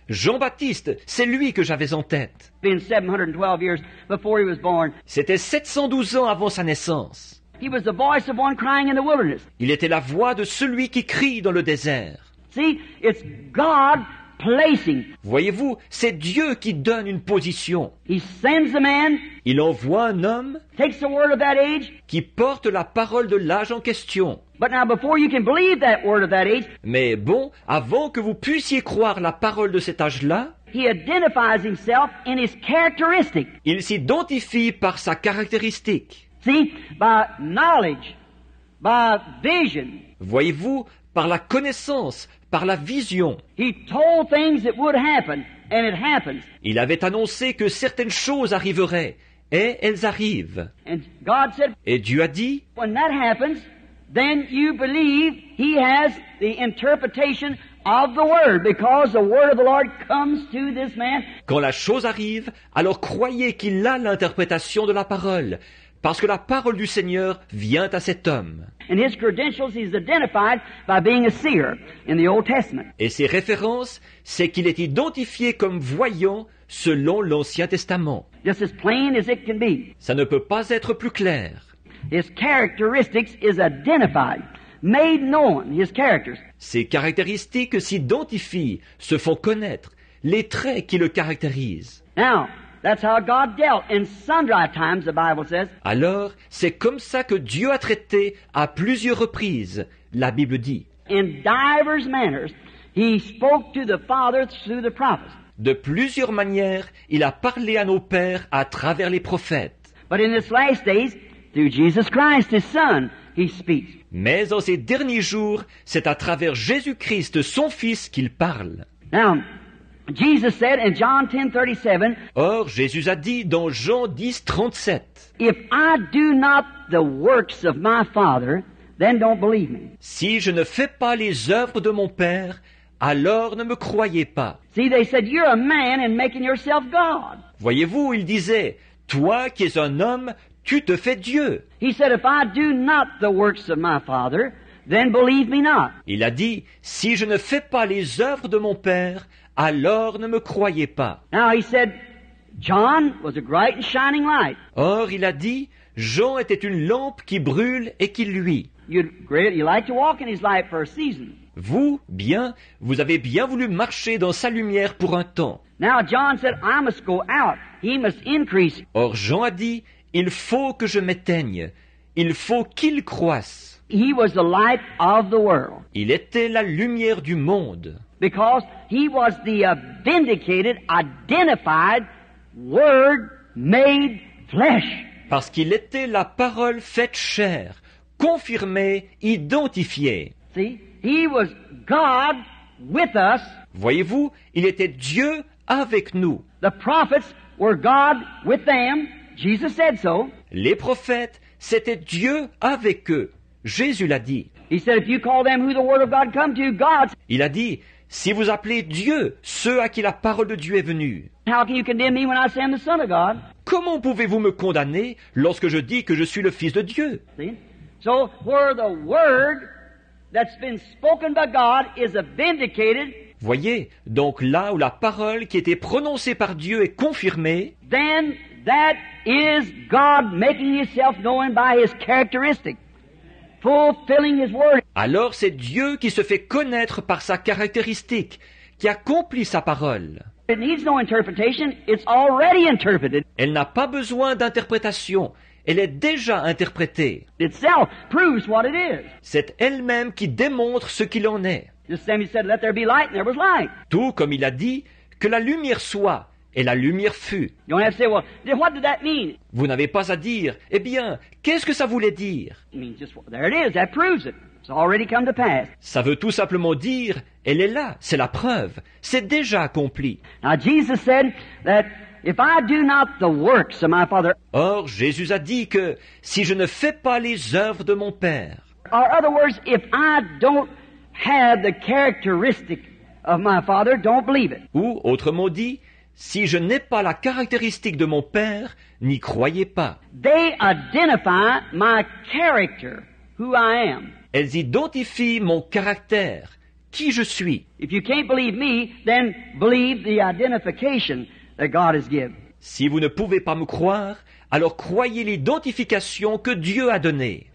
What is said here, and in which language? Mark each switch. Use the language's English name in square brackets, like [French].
[French] Jean-Baptiste, c'est lui que j'avais en tête. [English] Been 712 years before he was born. [French] C'était 712 ans avant sa naissance. [English] He was the voice of one crying in the wilderness. [French] Il était la voix de celui qui crie dans le désert. [English] See, it's God. Placing. [French] Voyez-vous, c'est Dieu qui donne une position. [English] He sends a man, [French] il envoie un homme [English] takes the word of that age, [French] qui porte la parole de l'âge en question. [English] But now before you can believe that word of that age, [French] mais bon, avant que vous puissiez croire la parole de cet âge-là, [English] he identifies himself in his characteristic. [French] Il s'identifie par sa caractéristique. [English] See, by knowledge, by vision. [French] Voyez-vous, par la connaissance, par la vision. [English] He told things that would happen, and it happens. [French] Il avait annoncé que certaines choses arriveraient, et elles arrivent. [English] And God said, [French] et Dieu a dit, [English] when that happens, then you believe he has the interpretation of the word, because the word of the Lord comes to this man. [French] Quand la chose arrive, alors croyez qu'il a l'interprétation de la parole, parce que la parole du Seigneur vient à cet homme. [English] And his credentials, he's identified by being a seer in the Old Testament. [French] Et ses références, c'est qu'il est identifié comme voyant selon l'Ancien Testament. [English] Just as plain as it can be. [French] Ça ne peut pas être plus clair. [English] His characteristics is identified, made known, his characters. [French] Ses caractéristiques s'identifient, se font connaître, les traits qui le caractérisent. [English] Now, that's how God dealt in sundry times, the Bible says. [French] Alors, c'est comme ça que Dieu a traité à plusieurs reprises, la Bible dit. [English] In divers manners, he spoke to the Father through the prophets. [French] De plusieurs manières, il a parlé à nos pères à travers les prophètes. [English] But in this last days, through Jesus Christ, his Son, he speaks. [French] Mais en ces derniers jours, c'est à travers Jésus-Christ, son Fils, qu'il parle. [English] Now, Jesus said in John 10:37. [French] Or, Jésus a dit dans Jean 10:37. [English] If I do not the works of my Father, then don't believe me. [French] Si je ne fais pas les œuvres de mon Père, alors ne me croyez pas. [English] See, they said, you're a man and making yourself God. [French] Voyez-vous, il disait, toi qui es un homme, tu te fais Dieu. [English] He said, if I do not the works of my father, then believe me not. [French] Il a dit, si je ne fais pas les œuvres de mon père, alors ne me croyez pas. [English] Now he said, John was a bright and shining light. [French] Or il a dit, Jean était une lampe qui brûle et qui luit. [English] You like to walk in his light for a season. [French] Vous, bien, vous avez bien voulu marcher dans sa lumière pour un temps. [English] Now John said, I must go out. He must increase. [French] Or Jean a dit, il faut que je m'éteigne. Il faut qu'il croisse. [English] He was the light of the world. [French] Il était la lumière du monde. [English] Because he was the vindicated, identified word made flesh. [French] Parce qu'il était la parole faite chair, confirmée, identifiée. [English] See, he was God with us. [French] Voyez-vous, il était Dieu avec nous. [English] The prophets were God with them. Jesus said so. [French] Les prophètes, c'était Dieu avec eux. Jésus l'a dit. [English] He said, if you call them who the word of God come to, God. [French] Il a dit, si vous appelez Dieu ceux à qui la parole de Dieu est venue. [English] How can you condemn me when I say I'm the Son of God? [French] Comment pouvez-vous me condamner lorsque je dis que je suis le Fils de Dieu? [English] So where the word that's been spoken by God is a vindicated. [French] Voyez, donc là où la parole qui était prononcée par Dieu est confirmée. [English] Then that is God making himself known by his characteristic. Fulfilling his word. [French] Alors c'est Dieu qui se fait connaître par sa caractéristique, qui accomplit sa parole. [English] It needs no interpretation. It's already interpreted. [French] Elle n'a pas besoin d'interprétation. Elle est déjà interprétée. [English] Itself proves what it is. [French] C'est elle-même qui démontre ce qu'il en est. [English] Just as he said, let there be light, and there was light. [French] Tout comme il a dit, que la lumière soit, et la lumière fut. [English] You don't have to say, well, what did that mean? [French] Vous n'avez pas à dire, eh bien, qu'est-ce que ça voulait dire? [English] I mean, just, there it is, that proves it. It's already come to pass. [French] Ça veut tout simplement dire, elle est là, c'est la preuve, c'est déjà accompli. [English] Now Jesus said that if I do not the works of my Father. [French] Or Jésus a dit que si je ne fais pas les œuvres de mon Père. [English] Or other words, if I don't have the characteristic of my Father, don't believe it. [French] Ou autrement dit, si je n'ai pas la caractéristique de mon Père, n'y croyez pas. [English] They identify my character, who I am. [French] Elles identifient mon caractère, qui je suis. [English] If you can't believe me, then believe the identification that God has given. [French] Si vous ne pouvez pas me croire, alors croyez l'identification que Dieu a donnée.